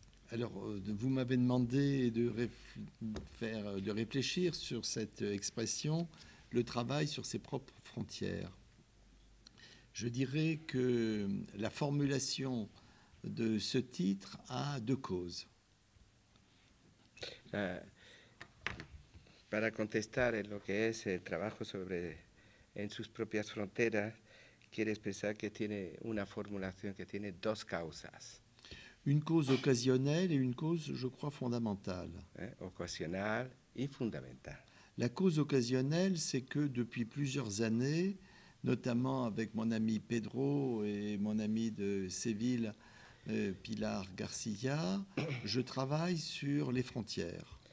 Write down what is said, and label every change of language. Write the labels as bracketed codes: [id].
[fr] Alors, vous m'avez demandé de réfléchir sur cette expression, le travail sur ses propres frontières. Je dirais que la formulation de ce titre a deux causes. [es] Para contestar en lo que es el trabajo sobre en sus propias fronteras, quieres pensar que tiene una formulación que tiene dos causas. [fr] Une cause occasionnelle et une cause, je crois, fondamentale. [es] Occasional y fundamental. [fr] La cause occasionnelle, c'est que depuis plusieurs années, notamment avec mon ami Pedro et mon ami de Séville, Pilar García, je travaille sur les frontières.